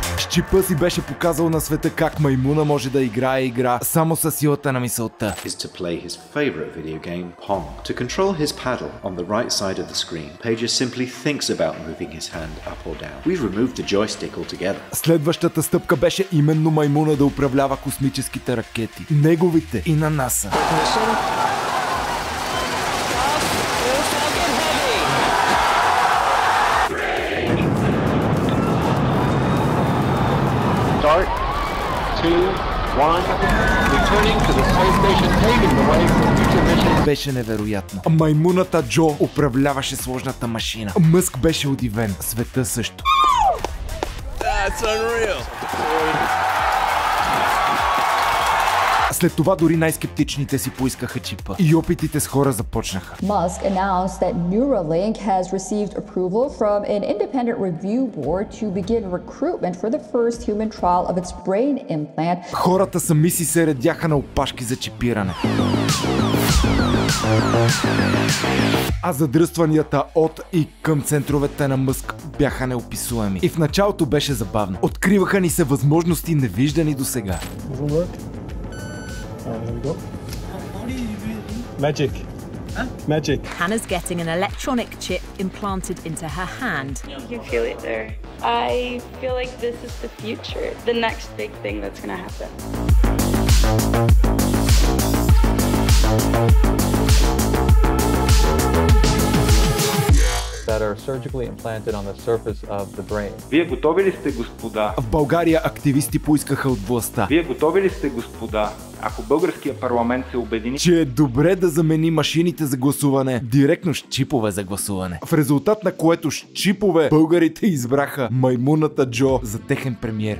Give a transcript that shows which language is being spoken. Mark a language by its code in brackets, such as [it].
[bg] Чипът си беше показал на света как маймуна може да играе игра само със силата на мисълта. [en] Is to play his favorite video game, Pong. To control his paddle on the right side of the screen, Pages simply thinks about moving his hand up or down. We've removed the joystick altogether. [bg] Следващата стъпка беше именно маймуна да управлява космическите ракети. Неговите и на НАСА. Беше невероятно. Маймуната Джо управляваше сложната машина. Мъск беше удивен. Света също. [en] That's unreal. [bg] След това дори най-скептичните си поискаха чипа. И опитите с хора започнаха. [en] Musk announced that Neuralink has received approval from an independent review board to begin recruitment for the first human trial of its brain implant. [bg] Хората сами си се редяха на опашки за чипиране. А задръстванията от и към центровете на Мъск бяха неописуеми. И в началото беше забавно. Откриваха ни се възможности невиждани досега. [en] Magic. Huh? Magic. Hannah's getting an electronic chip implanted into her hand. You can feel it there. I feel like this is the future, the next big thing that's going to happen. That are surgically implanted on the surface of the brain. [bg] Вие готови ли сте, господа? В България активисти поискаха от властта. Вие готови ли сте, господа? Ако българският парламент се обедини, че е добре да замени машините за гласуване директно с чипове за гласуване. В резултат на което с чипове българите избраха маймуната Джо за техен премиер.